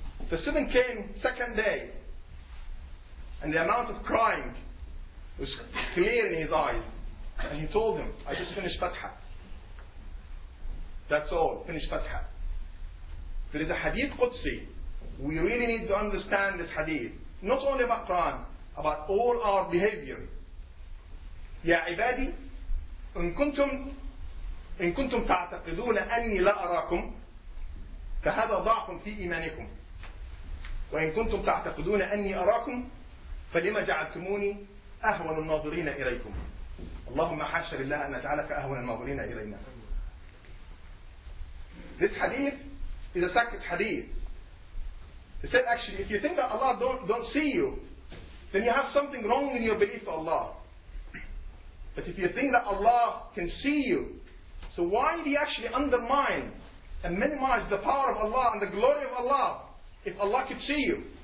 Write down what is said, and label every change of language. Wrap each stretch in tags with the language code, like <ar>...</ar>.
<en>The student came second day and the amount of crying was clear in his eyes. And he told him, I just finished Fatha. That's all, finished Fatha. There is a hadith Qudsi. We really need to understand this hadith. Not only about Quran, about all our behavior.</en> <ar>يا عبادي إن كنتم تعتقدون أني لا أراكم فهذا ضعف في إيمانكم وإن كنتم تعتقدون أني أراكم فلما جعلتموني أهون الناظرين إليكم. اللهم حاشا لله أن نجعلك أهون الناظرين إلينا.</ar> <en>This hadith is a sacred hadith. He said, actually, if you think that Allah don't see you, then you have something wrong in your belief of Allah. But if you think that Allah can see you, so why do you actually undermine and minimize the power of Allah and the glory of Allah if Allah could see you?</en>